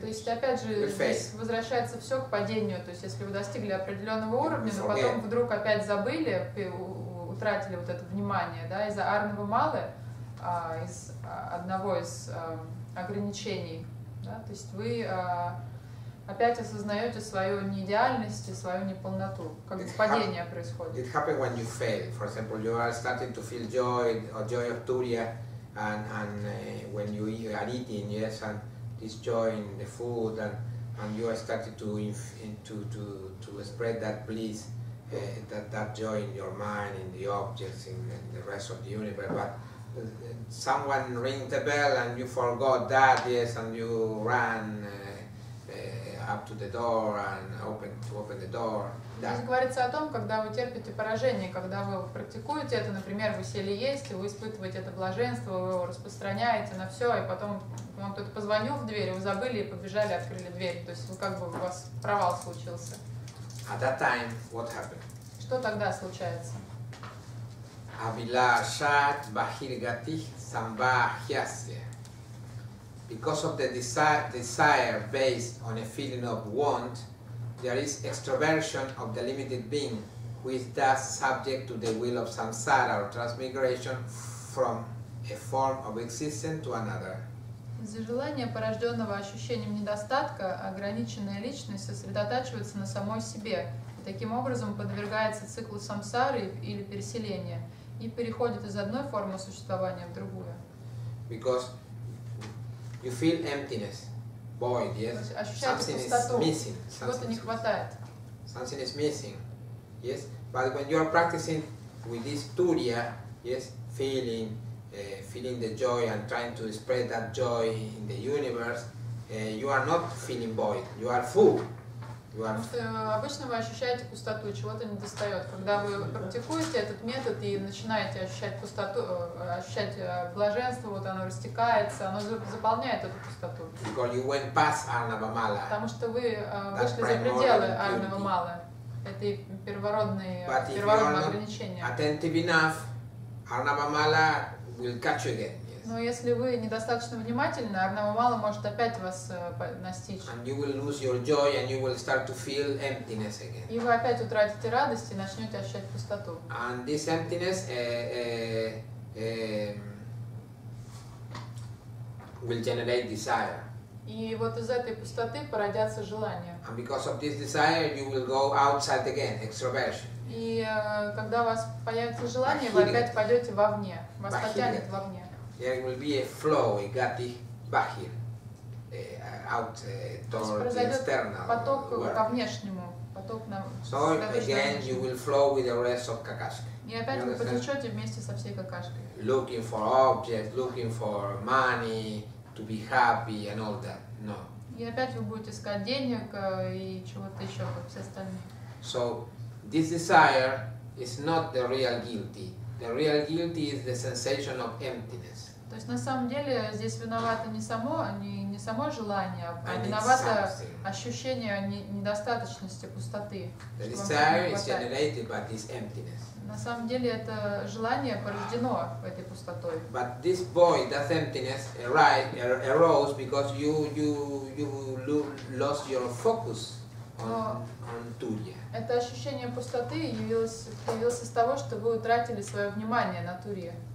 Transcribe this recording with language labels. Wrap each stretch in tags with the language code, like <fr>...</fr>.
<ru>То есть, опять же, здесь возвращается все к падению. То есть, если вы достигли определенного уровня, но потом вдруг опять забыли, тратили вот это внимание, да, из-за арнавы малы, из одного из ограничений, да, то есть вы опять осознаете свою неидеальность и свою неполноту, как бы падение происходит.</ru> <en>It happens when you fail. For example, you are starting to feel joy of Turiya, and when you are eating, yes, and this joy in the food, and you are starting to spread that bliss. That joy in your mind, in the objects, in the rest of the universe. But someone rings the bell and you forgot that, yes, and you run up to the door and open the door.</en> <ru>Здесь говорится о том, когда вы терпите поражение, когда вы практикуете это, например, вы сели есть, вы испытываете это блаженство, вы его распространяете на все, и потом вам кто-то позвонил в дверь, вы забыли и побежали, открыли дверь. То есть вы, как бы у вас провал случился.</ru> <en>At that time, what happened?</en> <ru>Что тогда случается?</ru> <sa>Abilashat bahirgatih sambahyasya.</sa> <en>Because of the desire based on a feeling of want, there is extroversion of the limited being, who is thus subject to the will of samsara, or transmigration from a form of existence to another.</en> <ru>Из-за желания, порожденного ощущением недостатка, ограниченная личность сосредотачивается на самой себе и таким образом подвергается циклу самсары или переселения и переходит из одной формы существования в другую.</ru> <en>Because you feel emptiness, void, yes?</en> <ru>Ощущаете пустоту, чего-то не хватает.</ru> <en>Something is missing, yes? But when you are practicing with this turiya, yes, feeling, feeling the joy and trying to spread that joy in the universe, you are not feeling void, you are full. You are...</en> <ru>Обычно вы ощущаете пустоту, чего-то не достает. Когда вы практикуете этот метод и начинаете ощущать пустоту, ощущать блаженство, вот оно растекается, оно заполняет эту пустоту.</ru> <en>Because you went past Arnavamala.</en> <ru>Потому что вы вышли за пределы Arnavamala, этой первородной, первородного ограничения.</ru> <en>Attentive enough, Arnavamala will catch you again. Yes.</en> <ru>Но если вы недостаточно внимательны, Арнавамала может опять вас настичь.</ru> <en>And you will lose your joy and you will start to feel emptiness again.</en> <ru>И вы опять утратите радость и начнете ощущать пустоту.</ru> <en>And this emptiness will generate desire.</en> <ru>И вот из этой пустоты породятся желания.</ru> <en>And because of this desire, you will go outside again, extroversion.</en> <ru>И когда у вас появится желание, вы опять пойдете вовне. Вас потянет вовне.</ru> <en>There will be a flow, a</en> <sa>gati bahir,</sa> <en>out towards the external</en> <ru>поток</ru> <en>world.</en> <ru>Ко внешнему. Поток на,</ru> <en>so again, you will flow with the rest of kakashka.</en> <ru>И опять вы потечете вместе со всей какашкой.</ru> <en>Looking for objects, looking for money, to be happy and all that. No.</en> <ru>И опять вы будете искать денег и чего-то еще, как все остальные.</ru> <en>So, this desire is not the real guilty. The real guilty is the sensation of emptiness.</en> <ru>То есть на самом деле здесь виновато не само, не само желание, а виновато ощущение недостаточности, пустоты.</ru> <en>The desire is generated by this emptiness.</en> <ru>На самом деле это желание порождено этой пустотой.</ru> <en>But this void, that emptiness, arose because you lost your focus on Turiya.</en> <ru>Это ощущение пустоты появилось из того, что вы утратили свое внимание на Турье.</ru>